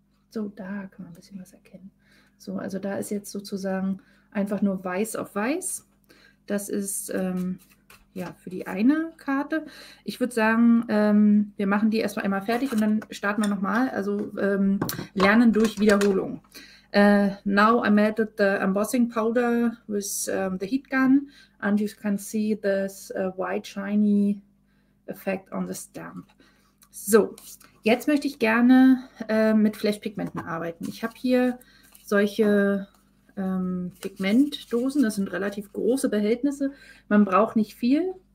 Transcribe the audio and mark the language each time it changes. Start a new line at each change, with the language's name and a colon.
German: So, da kann man ein bisschen was erkennen. So, also da ist jetzt sozusagen einfach nur weiß auf weiß. Das ist ja, für die eine Karte. Ich würde sagen, wir machen die erstmal einmal fertig und dann starten wir nochmal. Also lernen durch Wiederholung.
English: Now I melted the embossing powder with the heat gun and you can see this white shiny effect on the stamp.
German: So, jetzt möchte ich gerne mit Flashpigmenten arbeiten. Ich habe hier solche Pigmentdosen, das sind relativ große Behältnisse. Man braucht nicht viel.